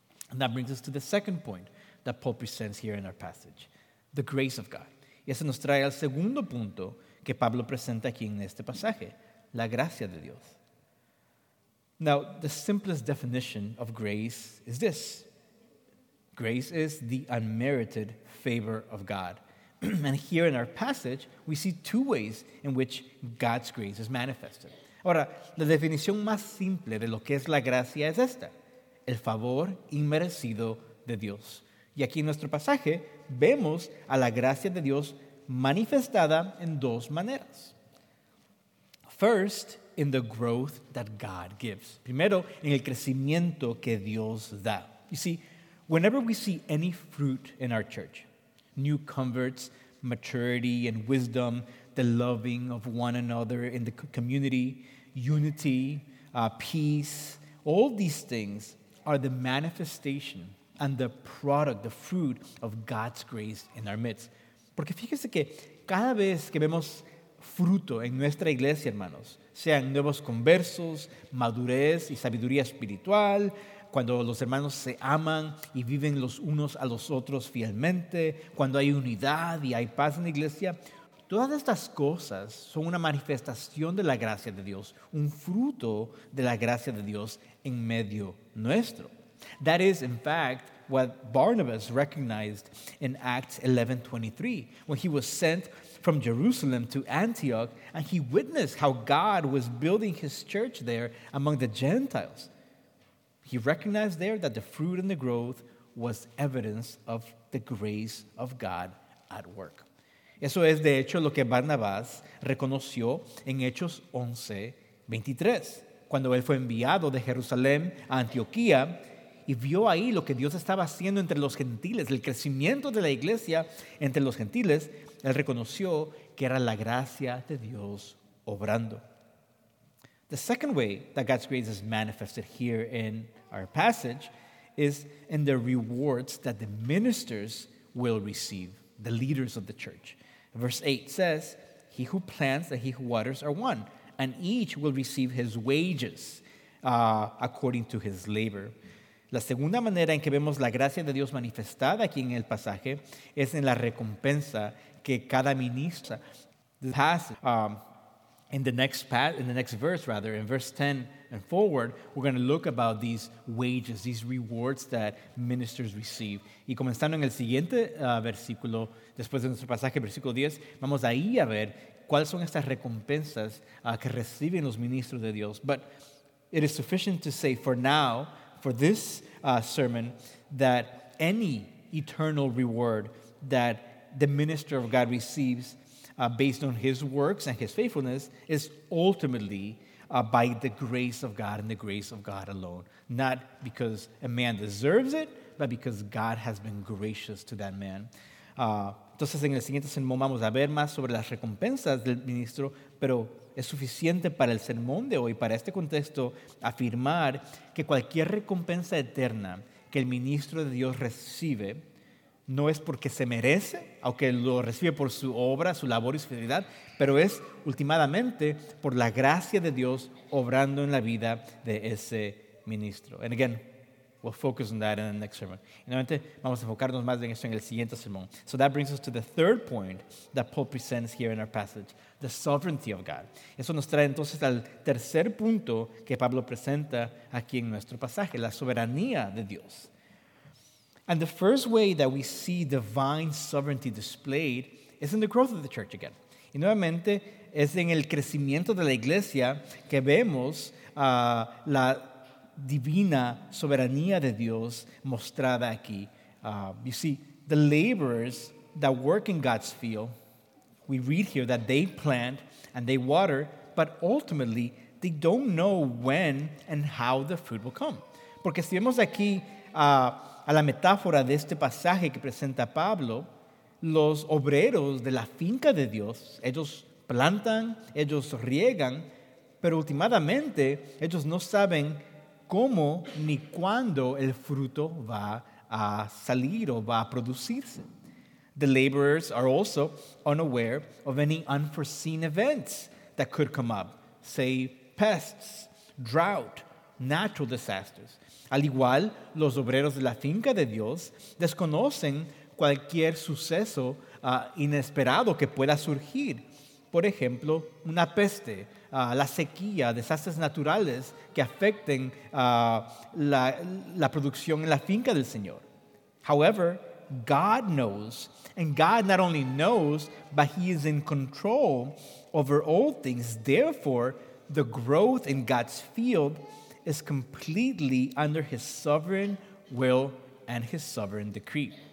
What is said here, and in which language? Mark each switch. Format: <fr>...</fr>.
<en>And that brings us to the second point that Paul presents here in our passage, the grace of God.</en> <es>Y eso nos trae al segundo punto que Pablo presenta aquí en este pasaje, la gracia de Dios.</es> <en>Now, the simplest definition of grace is this. Grace is the unmerited favor of God. And here in our passage, we see two ways in which God's grace is manifested.</en> <es>Ahora, la definición más simple de lo que es la gracia es esta, el favor inmerecido de Dios. Y aquí en nuestro pasaje vemos a la gracia de Dios manifestada en dos maneras.</es> <en>First, in the growth that God gives.</en> <es>Primero, en el crecimiento que Dios da.</es> <en>You see, whenever we see any fruit in our church, new converts, maturity and wisdom, the loving of one another in the community, unity, peace, all these things are the manifestation and the product, the fruit of God's grace in our midst.</en> <es>Porque fíjese que cada vez que vemos fruto en nuestra iglesia, hermanos, sean nuevos conversos, madurez y sabiduría espiritual, cuando los hermanos se aman y viven los unos a los otros fielmente, cuando hay unidad y hay paz en la iglesia, todas estas cosas son una manifestación de la gracia de Dios, un fruto de la gracia de Dios en medio nuestro.</es> <en>That is, in fact, what Barnabas recognized in Acts 11:23, when he was sent from Jerusalem to Antioch, and he witnessed how God was building his church there among the Gentiles. He recognized there that the fruit and the growth was evidence of the grace of God at work.</en> <es>Eso es, de hecho, lo que Barnabas reconoció en Hechos 11:23, cuando él fue enviado de Jerusalén a Antioquía, y vio ahí lo que Dios estaba haciendo entre los gentiles, el crecimiento de la iglesia entre los gentiles, él reconoció que era la gracia de Dios obrando.</es> <en>The second way that God's grace is manifested here in our passage is in the rewards that the ministers will receive, the leaders of the church. Verse 8 says, "He who plants and he who waters are one, and each will receive his wages according to his labor."</en> <es>La segunda manera en que vemos la gracia de Dios manifestada aquí en el pasaje es en la recompensa que cada ministro has.</es> <en>In the next verse, in verse 10 and forward, we're going to look about these wages, these rewards that ministers receive.</en> <es>Y comenzando en el siguiente versículo, después de nuestro pasaje, versículo 10, vamos ahí a ver cuáles son estas recompensas que reciben los ministros de Dios.</es> <en>But it is sufficient to say for now, for this sermon, that any eternal reward that the minister of God receives based on his works and his faithfulness is ultimately by the grace of God and the grace of God alone. Not because a man deserves it, but because God has been gracious to that man.</en> <es>Entonces, en el siguiente sermón vamos a ver más sobre las recompensas del ministro, pero es suficiente para el sermón de hoy, para este contexto, afirmar que cualquier recompensa eterna que el ministro de Dios recibe no es porque se merece, aunque lo recibe por su obra, su labor y su fidelidad, pero es últimamente por la gracia de Dios obrando en la vida de ese ministro.</es> <en>And again, we'll focus on that in the next sermon.</en> <es>Y nuevamente, vamos a enfocarnos más en esto en el siguiente sermón.</es> <en>So that brings us to the third point that Paul presents here in our passage, the sovereignty of God.</en> <es>Eso nos trae entonces al tercer punto que Pablo presenta aquí en nuestro pasaje, la soberanía de Dios.</es> <en>And the first way that we see divine sovereignty displayed is in the growth of the church again.</en> <es>Y nuevamente, es en el crecimiento de la iglesia que vemos la divina soberanía de Dios mostrada aquí.</es> <en>You see, the laborers that work in God's field, we read here that they plant and they water, but ultimately, they don't know when and how the fruit will come.</en> <es>Porque si vemos aquí a la metáfora de este pasaje que presenta Pablo, los obreros de la finca de Dios, ellos plantan, ellos riegan, pero últimamente ellos no saben cómo ni cuándo el fruto va a salir o va a producirse.</es> <en>The laborers are also unaware of any unforeseen events that could come up, say pests, drought, natural disasters.</en> <es>Al igual, los obreros de la finca de Dios desconocen cualquier suceso inesperado que pueda surgir. Por ejemplo, una peste, la sequía, desastres naturales que afecten la producción en la finca del Señor.</es> <en>However, God knows, and God not only knows, but He is in control over all things. Therefore, the growth in God's field is completely under His sovereign will and His sovereign decree.</en>